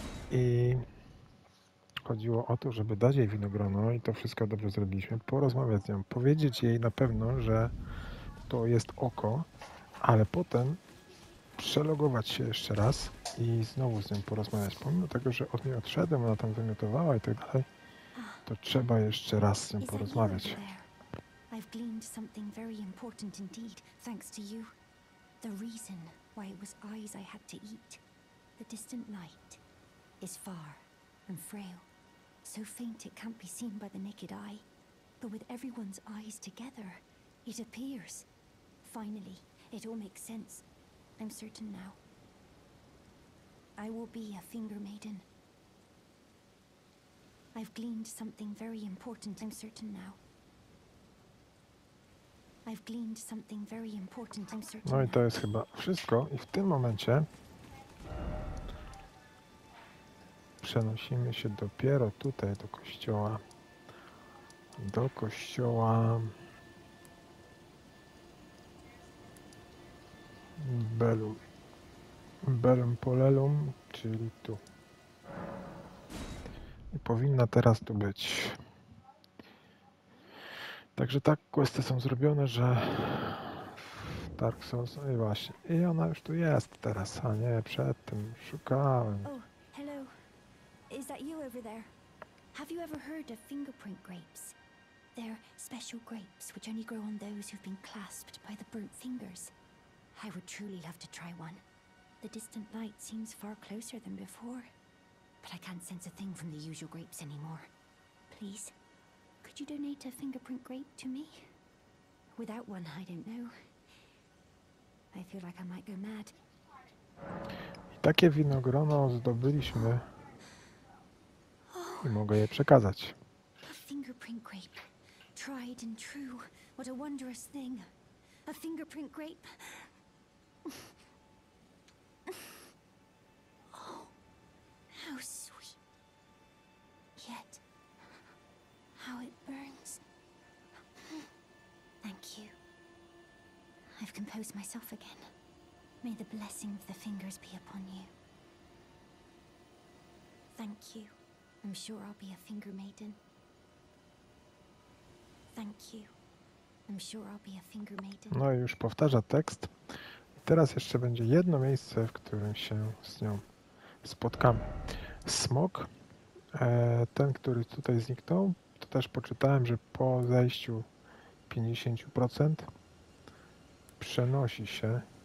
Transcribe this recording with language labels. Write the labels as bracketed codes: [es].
[pl] I chodziło o to, żeby dać jej winogrono i to wszystko dobrze zrobiliśmy, porozmawiać z nią, powiedzieć jej na pewno, że to jest oko, ale potem przelogować się jeszcze raz i znowu z nią porozmawiać. Pomimo tego, że od niej odszedłem, ona tam wymiotowała i tak dalej, to trzeba jeszcze raz z nią porozmawiać. [en] I've gleaned something very important indeed, thanks to you. The reason why it was eyes I had to eat. The distant light is far and frail. So faint it can't be seen by the naked eye. But with everyone's eyes together, it appears. Finally, it all makes sense. I'm certain now. I will be a finger maiden. I've gleaned something very important, I'm certain now. I've gleaned something very important, I'm certain now. [pl] No i to jest chyba wszystko. I w tym momencie przenosimy się dopiero tutaj do kościoła. Do kościoła. Belum. Belum Polelum, czyli tu. I powinna teraz tu być. Także tak questy są zrobione, że Dark Souls, no i właśnie. I ona już tu jest teraz, a nie przed tym szukałem. [en] Oh, hello. Is that you over there? Have you ever heard of fingerprint grapes? They're special grapes which only grow on those who've been clasped by the burnt fingers. I would truly love to try one. The distant light seems far closer than before. But I can't sense a thing from the usual grapes anymore. Please, could you donate a fingerprint grape to me? Without one, I don't know. I feel like I might go mad. [pl] I takie winogrono zdobyliśmy. I mogę je przekazać. [en] A fingerprint grape. Tried and true. What a wondrous thing. A fingerprint grape. How sweet, yet how it burns. Thank you. I've composed myself again. May the blessing of the fingers be upon you. Thank you. I'm sure I'll be a finger maiden. Thank you. I'm sure I'll be a finger maiden. [pl] No i już powtarza tekst. Teraz jeszcze będzie jedno miejsce, w którym się z nią spotkamy. Smok, ten, który tutaj zniknął, to też poczytałem, że po zejściu 50% przenosi się